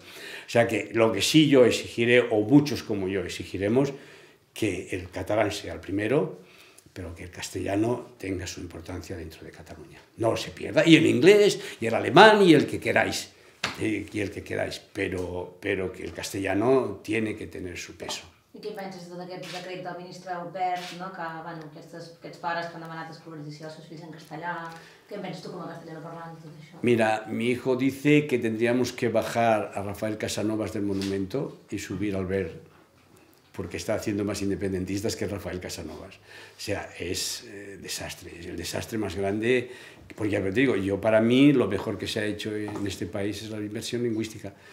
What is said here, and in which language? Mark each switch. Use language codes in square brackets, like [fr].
[es] O sea que lo que sí yo exigiré, o muchos como yo exigiremos, que el catalán sea el primero, pero que el castellano tenga su importancia dentro de Cataluña. No se pierda. Y el inglés, y el alemán, y el que queráis. Pero que el castellano tiene que tener su peso. [ca] I què penses de tot aquest decret del ministre Albert, no? Que, bueno, aquests pares que han demanat escolarització als seus fills en castellà. Què penses tu com a castellano parlant de tot això? [es] Mira, mi hijo dice que tendríamos que bajar a Rafael Casanovas del monumento y subir a Albert, porque está haciendo más independentistas que Rafael Casanovas. O sea, es desastre, es el desastre más grande. Porque ya te digo, yo para mí lo mejor que se ha hecho en este país es la inversión lingüística.